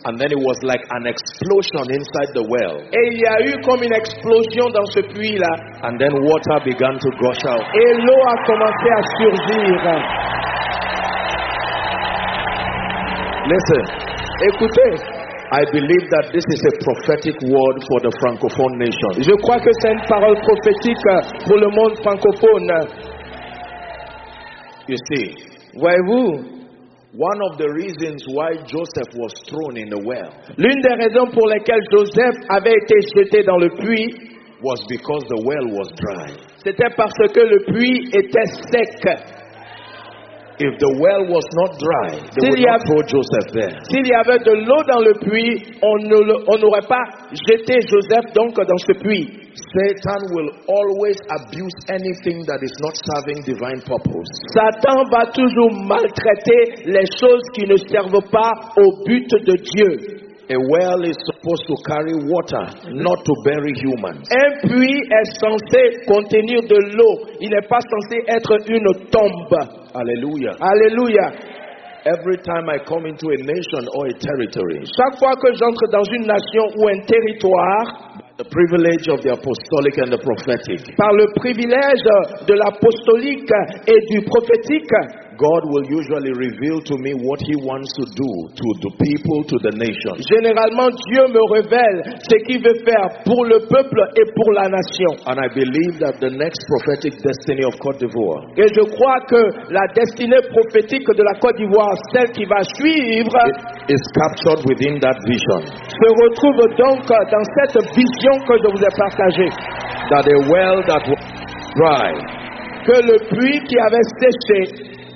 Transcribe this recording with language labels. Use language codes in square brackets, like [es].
[en] And then it was like an explosion inside the well. [fr] Et il y a eu comme une explosion dans ce puits là. [en] And then water began to gush out. [fr] Et l'eau a commencé à surgir. [en] Listen. [fr] Écoutez. [en] I believe that this is a prophetic word for the francophone nation. [fr] Je crois que c'est une parole prophétique pour le monde francophone. [en] You see. [fr] Voyez-vous? [en] One of the reasons why Joseph was thrown in the well. [fr] L'une des raisons pour lesquelles Joseph avait été jeté dans le puits [en] was because the well was dry. [fr] C'était parce que le puits était sec. [en] If the well was not dry, they would not throw Joseph there. [fr] S'il y avait de l'eau dans le puits, on n'aurait pas jeté Joseph donc dans ce puits. [en] Satan will always abuse anything that is not serving divine purpose. [fr] Satan va toujours maltraiter les choses qui ne servent pas au but de Dieu. [en] A well is supposed to carry water, not to bury humans. [fr] Un puits est censé contenir de l'eau. Il n'est pas censé être une tombe. Alléluia. Alléluia. [en] Every time I come into a nation or a territory, [fr] chaque fois que j'entre dans une nation ou un territoire, [en] the privilege of the apostolic and the prophetic, [fr] par le privilège de l'apostolique et du prophétique, [en] God will usually reveal to me what he wants to do to the people, to the nation. [fr] Généralement, Dieu me révèle ce qu'il veut faire pour le peuple et pour la nation. [en] And I believe that the next prophetic destiny of Côte d'Ivoire. [fr] Et je crois que la destinée prophétique de la Côte d'Ivoire, celle qui va suivre, [en] is captured within that vision. [fr] Se retrouve donc dans cette vision que je vous ai partagée. [en] That a well that was dry. [fr] Que le puits qui avait séché.